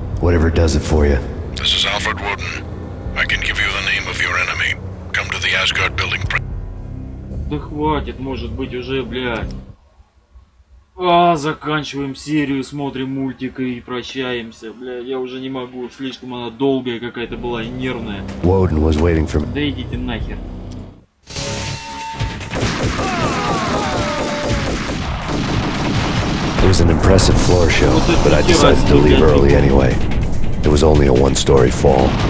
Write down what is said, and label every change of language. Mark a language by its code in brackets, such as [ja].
[en] Whatever does it for you. This is Alfred Wooden. I can give you the name of your enemy. Come to the Asgard building. [ru] Да хватит, может быть, уже, блядь. А, заканчиваем серию, смотрим мультик и прощаемся. Блядь, я уже не могу, слишком она долгая какая-то была и нервная. [en] Woden was waiting for me. [ru] Да идите нахер. [en] It was an impressive floor show, but I decided to leave early anyway. It was only a one-story fall.